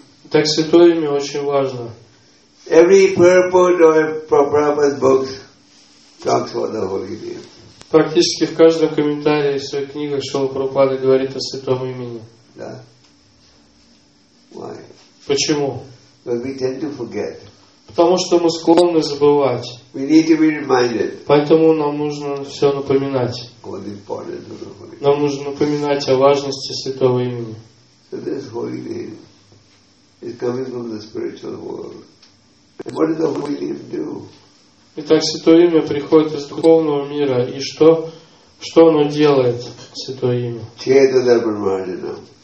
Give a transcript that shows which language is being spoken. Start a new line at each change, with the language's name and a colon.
Russian: Так святое имя очень важно.
English: Every purport of Prabhupada's books talks about the holy name.
Russian: Практически в каждом комментарии в своих книгах Шрила Прабхупада говорит о святом имени.
English: Да. Why?
Russian: Почему?
English: Because we tend to forget.
Russian: Потому что мы склонны забывать.
English: We need to be reminded.
Russian: Поэтому нам нужно все напоминать.
English: What is important to the holy name.
Russian: Нам нужно напоминать о важности святого имени.
English: So this holy name is coming from the spiritual world. What does the holy name do?
Russian: Итак, Святое Имя приходит из духовного мира. И что? Что оно делает, Святое Имя?